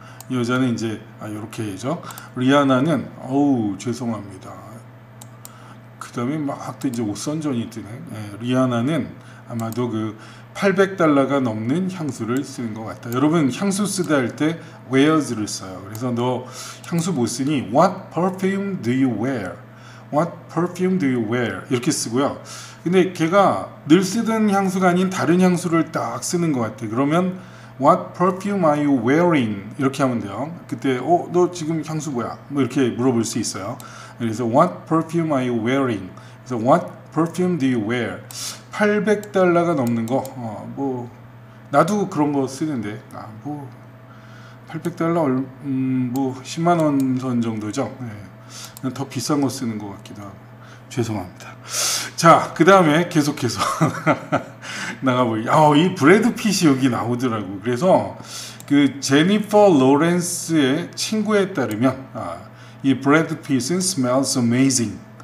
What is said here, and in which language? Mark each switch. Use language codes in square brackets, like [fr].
[ko] 여자는 이제 이렇게 해죠. 리아나는 어우 죄송합니다. 그다음에 막또 이제 옷선전이 뜨네. 리아나는 아마도 그 800달러가 넘는 향수를 쓰는 것 같다. 여러분 향수 쓰다 할때 wears를 써요. 그래서 너 향수 못 쓰니? [en] What perfume do you wear? What perfume do you wear? [ko] 이렇게 쓰고요. 근데 걔가 늘 쓰던 향수가 아닌 다른 향수를 딱 쓰는 것 같아. 그러면 [en] What perfume are you wearing? [ko] 이렇게 하면 돼요. 그때 너 지금 향수 뭐야? 뭐 이렇게 물어볼 수 있어요. 그래서 [en] What perfume are you wearing? 그래서 What perfume do you wear? [ko] 800달러가 넘는 거. 뭐 나도 그런 거 쓰는데. 뭐 800달러 뭐 10만 원선 정도죠. 네. 더 비싼 거 쓰는 것 같기도 하고. 죄송합니다. 자, 그다음에 계속해서 나가보기. 이 브래드 핏이 여기 나오더라고. 그래서 그 제니퍼 로렌스의 친구에 따르면 이 브래드 핏은 [en] smells amazing.